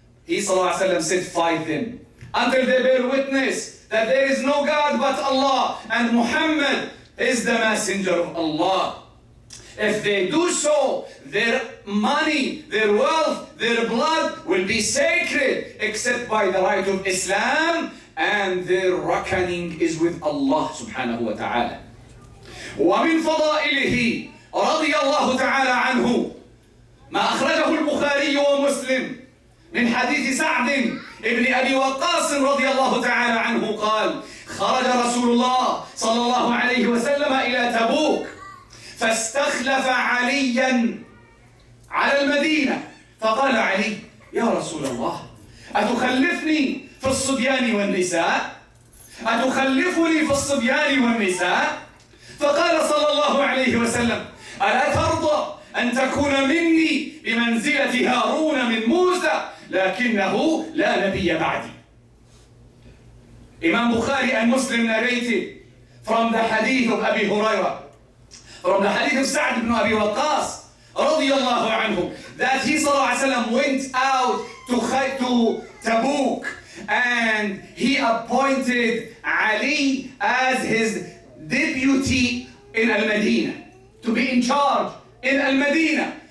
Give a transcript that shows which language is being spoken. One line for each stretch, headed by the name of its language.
English: He said, fight them until they bear witness that there is no God but Allah and Muhammad is the messenger of Allah. If they do so, their money, their wealth, their blood will be sacred except by the right of Islam, and their reckoning is with Allah subhanahu wa ta'ala.
Arabic: وَمِنْ فَضَائِلِهِ رَضِيَ اللَّهُ تَعَالَى عَنْهُ مَا أَخْرَجَهُ الْبُخَارِيُّ وَمُسْلِمُ من حديث سعد ابن أبي وقاص رضي الله تعالى عنه قال: خرج رسول الله صلى الله عليه وسلم إلى تبوك فاستخلف عليا على المدينة، فقال علي: يا رسول الله، أتخلفني في الصبيان والنساء؟ أتخلفني في الصبيان والنساء؟ فقال صلى الله عليه وسلم: ألا ترضى أن تكون مني بمنزلة هارون من موسى؟ لكنه لا نبي بعدي.
English: Imam Bukhari and Muslim narrated from the hadith of Abi Huraira, from the hadith of Sa'd ibn Abi Waqqas
Arabic: رضي الله عنه,
English: that he
Arabic: صلى الله عليه وسلم
English: went out to Tabuk and he appointed Ali as his deputy in Al-Madinah, to be in charge in Al-Madinah.